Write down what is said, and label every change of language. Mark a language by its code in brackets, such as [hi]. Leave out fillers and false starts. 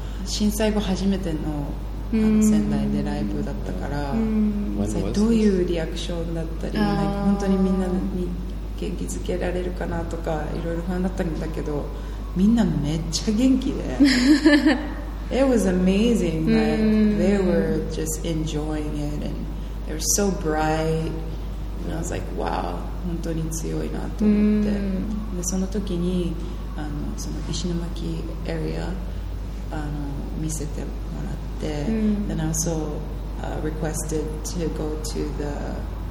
[ja] 震災後初めての仙台でライブだったから、どういうリアクションだったり、本当にみんなに元気づけられるかなとか、いろいろ不安だったんだけど、みんなめっちゃ元気で。 [en] It was amazing. Like, they were just enjoying it, and they were so bright. And I was like, "Wow, [ja] 本当に強いなと思って。で、その時に、その石巻エリア、見せてもらって。 [en] Then I also requested to go to the.